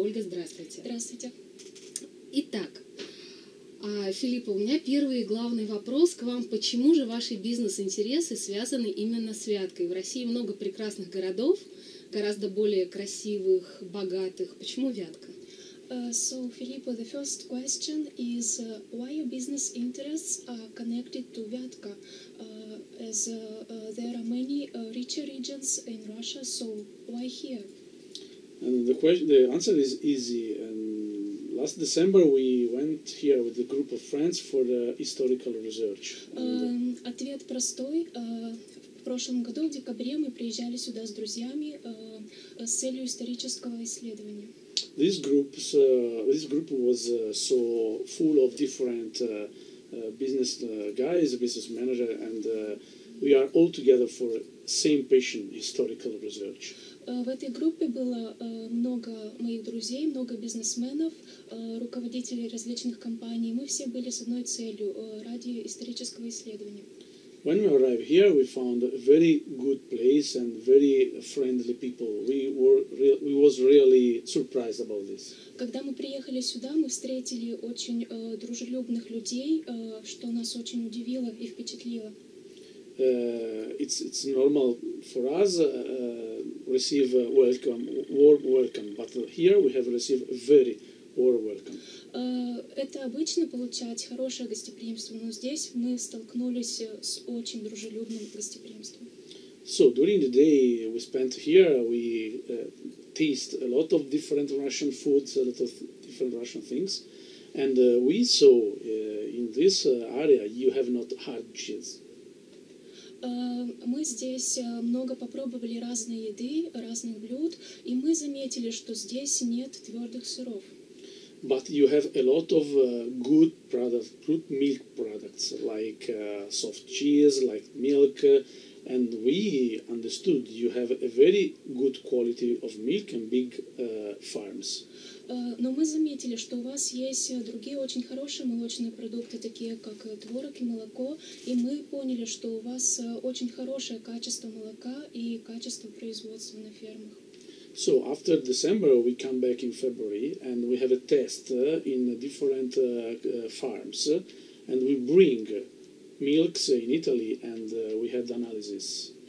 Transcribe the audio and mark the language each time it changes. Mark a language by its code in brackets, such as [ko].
[ru] Ольга, здравствуйте. Здравствуйте. Итак, Филиппо, у меня первый и главный вопрос к вам. Почему же ваши бизнес-интересы связаны именно с Вяткой? В России много прекрасных городов, гораздо более красивых, богатых. Почему Вятка? [en] So, Filippo, the first question is why your business interests are connected to Vyatka, as there are many richer regions in Russia, so why here? And the answer is easy. Last December we went here with a group of friends for the historical research. [ru] Ответ простой. В прошлом году, в декабре, мы приезжали сюда с друзьями с целью исторического исследования. [en] This group was so full of different business guys, business manager, and we are all together for same passion, historical research. [ru] В этой группе было много моих друзей, много бизнесменов, руководителей различных компаний. Мы все были с одной целью ради исторического исследования. [en] When we arrived here, we found a very good place and very friendly people. We were really surprised about this. [ru] Когда мы приехали сюда, мы встретили очень дружелюбных людей, что нас очень удивило и впечатлило. [en] It's normal for us receive warm welcome, but here we have received a very warm welcome. [ru] Это обычно получать хорошее гостеприимство, но здесь мы столкнулись с очень дружелюбным гостеприимством. [en] So during the day we spent here, we taste a lot of different Russian foods, a lot of different Russian things, and we saw in this area you have not hard cheese. [ru] Мы здесь много попробовали разной еды, разных блюд, и мы заметили, что здесь нет твердых сыров. [en] But you have a lot of good milk products, like soft cheese, like milk, and we understood you have a very good quality of milk and big farms. [ru] Но мы заметили, что у вас есть другие очень хорошие молочные продукты, такие как творог и молоко, и мы поняли, что у вас очень хорошее качество молока и качество производства на фермах. [en] So after December we come back in February and we have a test in different farms and we bring milks in Italy and we had analysis.